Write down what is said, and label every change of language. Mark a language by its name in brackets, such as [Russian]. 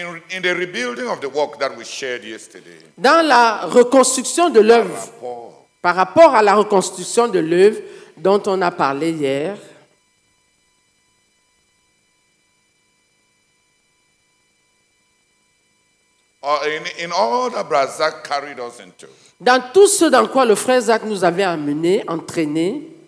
[English] In the rebuilding of the work that we shared yesterday, [French] dans la reconstruction de l'œuvre, par rapport à la reconstruction de l'œuvre dont on a parlé hier, [English] in all that Brother Zach carried us into, [French] dans tout ce dans quoi le frère Zach nous avait amené, entraîné,